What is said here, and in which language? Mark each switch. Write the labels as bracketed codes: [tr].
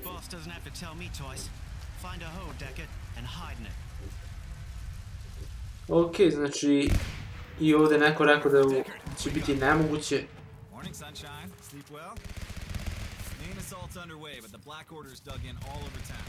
[en] Doesn't have to tell me twice. Find a hole, Deckard, and hide in it. [sr] Okay, znači i ovde neko rekao da će biti nemoguće. [en] Morning, sunshine. Sleep well? Main assault's underway, but the Black Order's dug in all over town.